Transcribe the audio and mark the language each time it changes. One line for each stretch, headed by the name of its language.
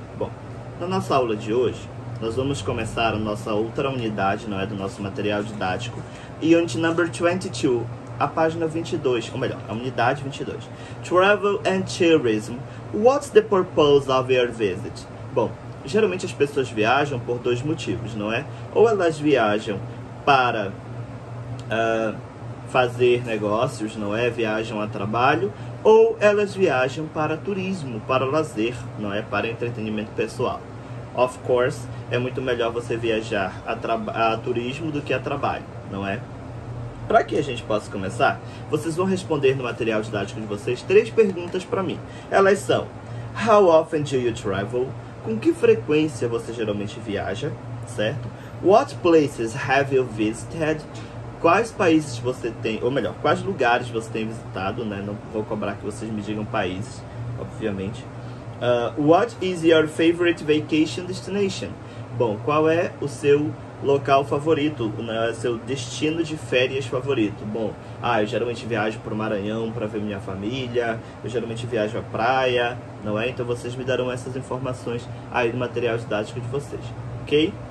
Portuguese: Bom, na nossa aula de hoje, nós vamos começar a nossa outra unidade, não é, do nosso material didático.
English: Unit number 22,
Portuguese: a página 22, ou melhor, a unidade 22.
English: Travel and tourism. What's the purpose of your visit?
Portuguese: Bom, geralmente as pessoas viajam por dois motivos, não é? Ou elas viajam para fazer negócios, não é? Viajam a trabalho. Ou elas viajam para turismo, para lazer, não é? Para entretenimento pessoal.
English: Of course,
Portuguese: é muito melhor você viajar a turismo do que a trabalho, não é? Para que a gente possa começar, vocês vão responder no material didático de vocês três perguntas para mim. Elas são:
English: How often do you travel?
Portuguese: Com que frequência você geralmente viaja, certo?
English: What places have you visited?
Portuguese: Quais países você tem, ou melhor, quais lugares você tem visitado, né? Não vou cobrar que vocês me digam países, obviamente.
English: What is your favorite vacation destination?
Portuguese: Bom, qual é o seu local favorito, né? Seu destino de férias favorito? Bom, ah, eu geralmente viajo para o Maranhão para ver minha família, eu geralmente viajo à praia, não é? Então vocês me darão essas informações aí no material didático de vocês, ok?